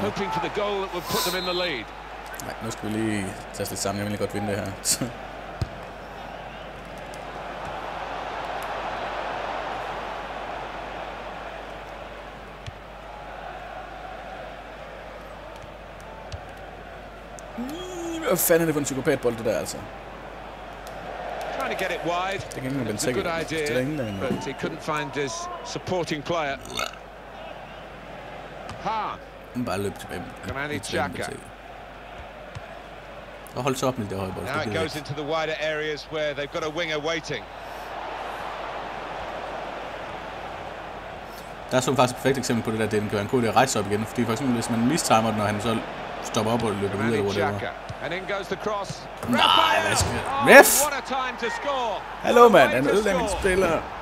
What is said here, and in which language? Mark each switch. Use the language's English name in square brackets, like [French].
[English] Hoping for the goal that would put them in the lead. [Danish] Nej, nu skal vi lige tage os lidt sammen. Jeg vil lige godt vinde det her. Hvad fanden er det for en psykopatbold, det der, altså? [English] Trying to get it wide. It's a good idea, but he couldn't find his supporting player. [Danish] Ha! Bare løb tilbage. Granit Xhaka. Hold op med det høje bolde. [English] Now it goes into the wider areas where they've got a winger waiting. [Danish] Der er sådan faktisk et perfekt eksempel på det der, at den kan være en god idé at rejse op igen. Fordi for eksempel, hvis man mistimer den, og han så stopper op og løber videre, eller whatever. [English] And in goes the cross. [Danish] Nej, hvad skal jeg? [English] Riff! [Danish] Hallo mand, han ødelagde min spiller.